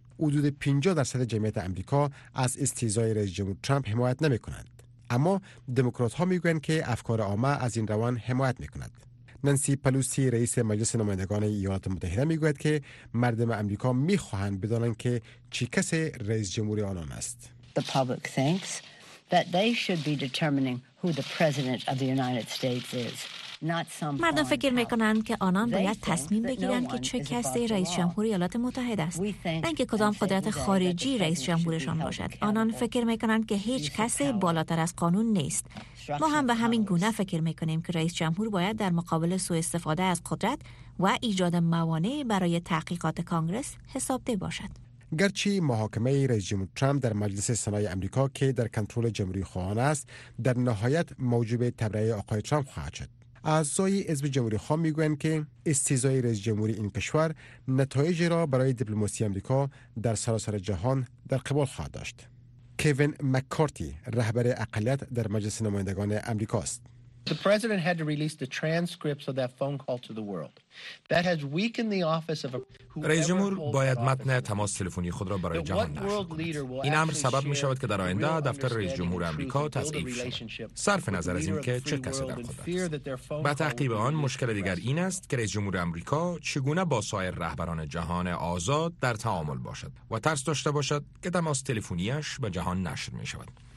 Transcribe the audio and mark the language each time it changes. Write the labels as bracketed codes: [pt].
[fa] حدود 50% جمعیت آمریکا از استیضای رئیس جمهور ترامپ حمایت نمیکنند، اما دموکرات ها میگویند که افکار عامه از این روان حمایت میکند. نانسی پلوسی رئیس مجلس نمایندگان ایالات متحده میگوید که مردم امریکا میخواهند بدانند که چه کسی رئیس جمهور آنان است. [en] The public thinks that they should be determining who the president of the United States is, [fa] مردم فکر میکنند که آنان باید تصمیم بگیرند که چه کسی رئیس جمهور ایالات متحده است، نه اینکه کدام قدرت خارجی رئیس جمهورشان باشد. آنان فکر میکنند که هیچ کسی بالاتر از قانون نیست. ما هم به همین گونه فکر میکنیم که رئیس جمهور باید در مقابل سوء استفاده از قدرت و ایجاد موانع برای تحقیقات کنگره حسابده باشد. گرچه محاکمه رئیس جمهور ترامپ در مجلس سنای امریکا که در کنترل جمهوری خواهان است در نهایت موجب تبرئه آقای ترامپ خواهد شد. اعضای حزب جمهوری خواه میگویند که استیضای رئیس جمهوری این کشور نتایج را برای دیپلماسی امریکا در سراسر جهان در قبال خواهد داشت. کوین مک‌کارتی رهبر اقلیت در مجلس نمایندگان امریکا است. [en] The president had to release the transcripts of that phone call to the world. That has weakened the office of a. [fa] رئیس جمهور باید متن تماس تلفنی خود را برای جهان نشر کند. این امر سبب می شود که در آینده دفتر رئیس جمهور آمریکا تضعیف شود. صرف نظر از اینکه چه کسی در قدرت است. با تعقیب آن مشکل دیگر این است که رئیس جمهور آمریکا چگونه با سایر رهبران جهان آزاد در تعامل باشد و ترس داشته باشد که تماس تلفنیش به جهان نشر می شود.